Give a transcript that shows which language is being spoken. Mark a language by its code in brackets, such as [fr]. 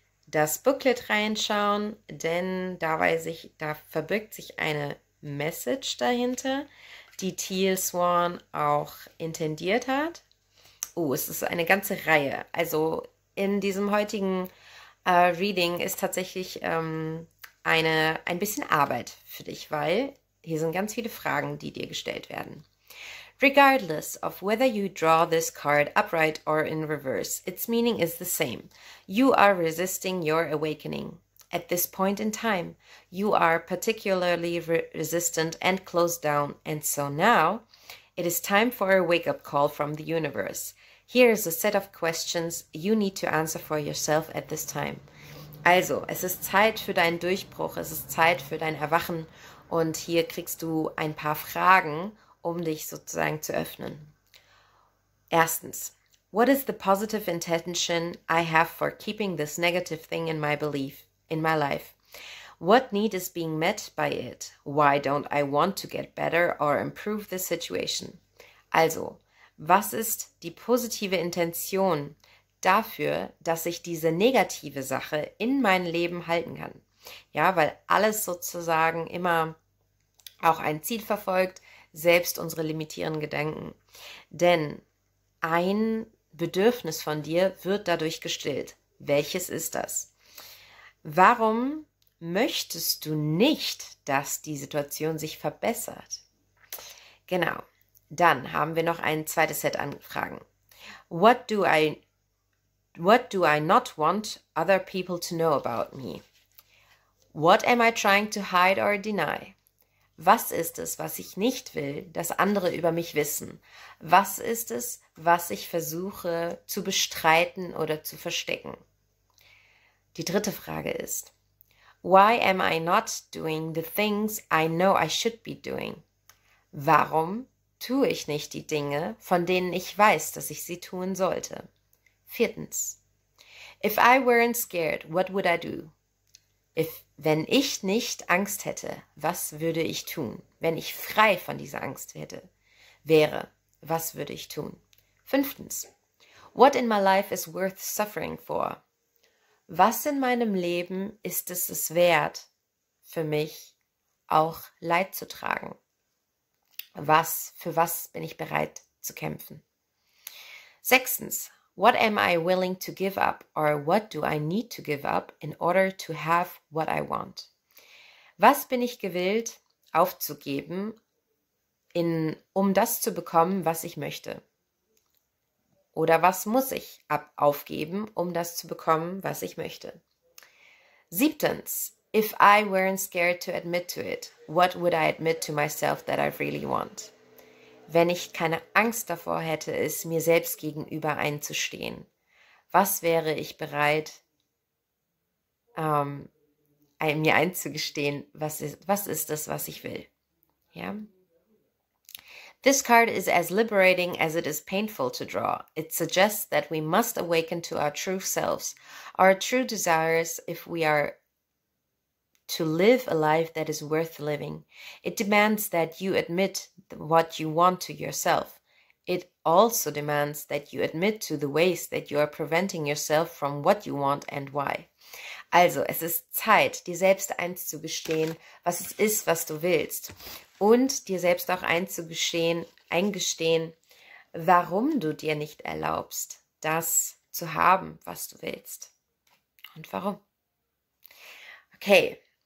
[de] das Booklet reinschauen, denn da weiß ich, da verbirgt sich eine Message dahinter, die Teal Swan auch intendiert hat. Oh, es ist eine ganze Reihe. Also in diesem heutigen Reading ist tatsächlich ein bisschen Arbeit für dich, weil hier sind ganz viele Fragen, die dir gestellt werden. [en] Regardless of whether you draw this card upright or in reverse, its meaning is the same. You are resisting your awakening. At this point in time, you are particularly re resistant and closed down. And so now, it is time for a wake-up call from the universe. Here is a set of questions you need to answer for yourself at this time. [de] Also, es ist Zeit für deinen Durchbruch, es ist Zeit für dein Erwachen und hier kriegst du ein paar Fragen, um dich sozusagen zu öffnen. [en] Erstens, what is the positive intention I have for keeping this negative thing in my belief, in my life? What need is being met by it? Why don't I want to get better or improve the situation? [de] Also, was ist die positive Intention dafür, dass ich diese negative Sache in mein Leben halten kann? Ja, weil alles sozusagen immer auch ein Ziel verfolgt, selbst unsere limitierenden Gedanken. Denn ein Bedürfnis von dir wird dadurch gestillt. Welches ist das? Warum möchtest du nicht, dass die Situation sich verbessert? Genau. Dann haben wir noch ein zweites Set an Fragen. [en] What do I not want other people to know about me? What am I trying to hide or deny? [de] Was ist es, was ich nicht will, dass andere über mich wissen? Was ist es, was ich versuche zu bestreiten oder zu verstecken? Die dritte Frage ist, [en] why am I not doing the things I know I should be doing? [de] Warum tue ich nicht die Dinge, von denen ich weiß, dass ich sie tun sollte? Viertens. [en] If I weren't scared, what would I do? [de] Wenn ich nicht Angst hätte, was würde ich tun? Wenn ich frei von dieser Angst wäre, was würde ich tun? Fünftens. [en] What in my life is worth suffering for? [de] Was in meinem Leben ist es wert, für mich auch Leid zu tragen? Für was bin ich bereit zu kämpfen? [en] Sechstens, what am I willing to give up or what do I need to give up in order to have what I want? [de] Was bin ich gewillt aufzugeben, um das zu bekommen, was ich möchte? Oder was muss ich aufgeben, um das zu bekommen, was ich möchte? [en] Siebtens, if I weren't scared to admit to it, what would I admit to myself that I really want? [de] Wenn ich keine Angst davor hätte, es mir selbst gegenüber einzustehen, was wäre ich bereit, mir einzugestehen, was ist das, was ich will? [en] Ja? This card is as liberating as it is painful to draw. It suggests that we must awaken to our true selves, our true desires, if we are to live a life that is worth living. It demands that you admit what you want to yourself. It also demands that you admit to the ways that you are preventing yourself from what you want and why. [de] Also, es ist Zeit, dir selbst einzugestehen, was es ist, was du willst. Und dir selbst auch eingestehen, warum du dir nicht erlaubst, das zu haben, was du willst. Und warum? Okay.